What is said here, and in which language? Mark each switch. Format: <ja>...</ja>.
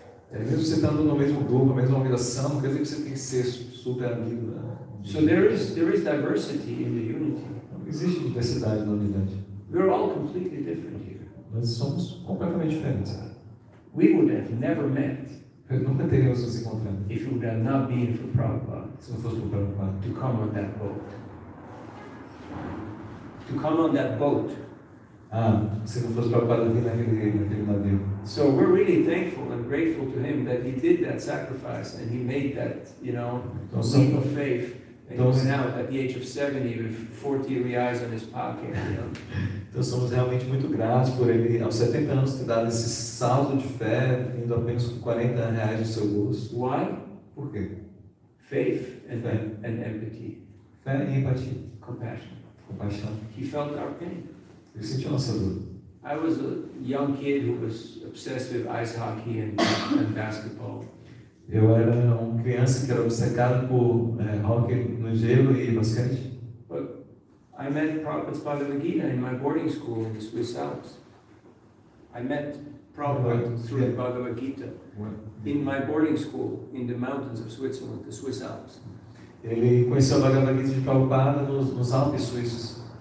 <pt>Mesmo você estando no mesmo grupo, na mesma organização, quer dizer que você tem que ser super amigo, né?</pt> <en>So there is diversity in the unity.</en> <pt>Existe diversidade na unidade.</pt> <en>We're all completely different here.</en> <pt>Nós somos completamente diferentes.</pt> <en>We would have never met.</en> <pt>Nunca teríamos nos encontrado.</pt> <en>If it would have not been for Prabhupada.</en> <pt>Se não fosse por Prabhupada.</pt> <en>To come on that boat. To come on that boat.</en> <pt>Ah, se não fosse Prabhupada vir naquele navio.</pt> <en>So we're really thankful and grateful to him that he did that sacrifice and he made that, you know, leap of faith. And he went out at the age of 70 with 40 reais in his pocket, you know.</en> <pt>Então somos realmente muito gratos por ele, aos 70 anos, ter dado esse salto de fé, indo apenas com 40 reais no seu bolso.</pt> <en>Why?</en> <pt>Por quê?</pt> <en>Faith and, fé. And empathy.</en> <pt>Fé e empatia.</pt> <en>Compassion.</en> <pt>Compaixão.</pt> <en>He felt our pain.</en> <pt>Ele sentiu a nossa dor.</pt> <en>I was a young kid who was obsessed with ice hockey and basketball.</en> <pt>Eu era uma criança que era obcecada por hockey no gelo e basquete.</pt> <en>But I met Prabhupada's Bhagavad Gita in my boarding school in the Swiss Alps. I met Prabhupada through the Bhagavad Gita in my boarding school in the mountains of Switzerland, the Swiss Alps.</en> <pt>Ele conheceu a Bhagavad Gita de Prabhupada nos Alpes suíços.</pt>